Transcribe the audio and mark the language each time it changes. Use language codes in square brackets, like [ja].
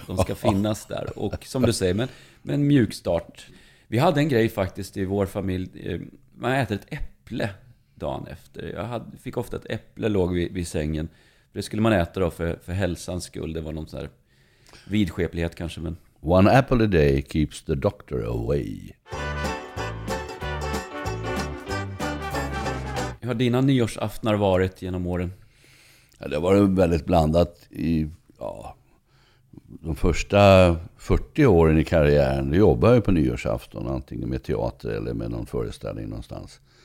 [sv] De ska finnas där. Och som du säger, med en mjuk start. Vi hade en grej faktiskt i vår familj. Man äter ett äpple dagen efter. Fick ofta ett äpple låg vid sängen. Det skulle man äta då för hälsans skull. Det var någon sån här vidskeplighet kanske. Men. [en] One apple a day keeps the doctor away. [sv] Hur har dina nyårsaftnar varit genom åren? Ja, det var väldigt blandat i de första 40 åren i karriären. Jag jobbade ju på nyårsafton, antingen med teater eller med någon föreställning någonstans.